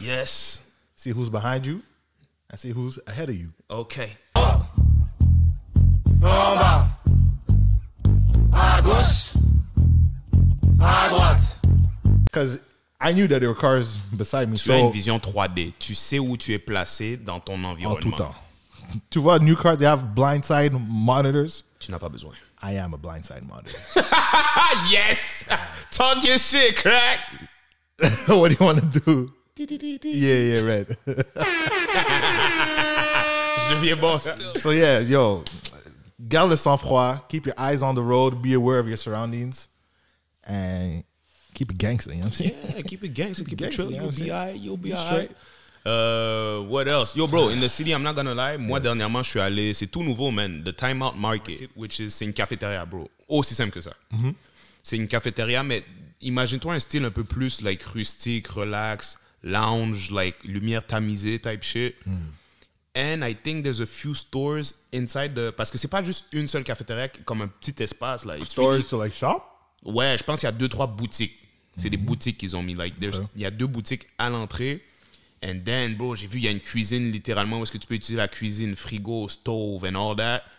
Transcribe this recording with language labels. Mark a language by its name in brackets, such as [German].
[English] Yes. See who's behind you. And see who's ahead of you. Okay. Because I knew that there were cars beside me. [French] Tu as une vision 3D. Tu sais où tu es placé dans ton environnement. En tout temps. Tu vois, [English] new cars, they have blindside monitors. [French] Tu n'as pas besoin. [English] I am a blindside monitor. Yes! Talk your shit, crack! What do you want to do? Yeah, yeah, red. [French] Je deviens bon. [English] So yeah, yo, [French] garde le sang froid. [English] Keep your eyes on the road. Be aware of your surroundings. And keep it gangster, you know what I'm saying? Yeah, keep it gangster. Keep it chill. You'll be all right. You'll be all right. What else? Yo, bro, in the city, I'm not gonna lie. [French] Moi, yes. Dernièrement, je suis allé. C'est tout nouveau, man. [English] The Time Out Market, which is, [French] c'est une cafétéria, bro. Aussi simple que ça. Mm-hmm. C'est une cafétéria, mais imagine-toi un style un peu plus like rustique, relax, lounge, [English] like lumière tamisée type shit. Mm. And I think there's a few stores inside the. [French] Parce que c'est pas juste une seule cafétéria, comme un petit espace. [English] Like, stores to like shop? [French] Ouais, je pense qu'il y a 2-3 boutiques. C'est des boutiques qu'ils ont mis. [English] Like, there's, okay. [French] Il y a 2 boutiques à l'entrée. And then, bro, j'ai vu, il y a une cuisine, littéralement, où est-ce que tu peux utiliser la cuisine, frigo, [English] stove, and all that.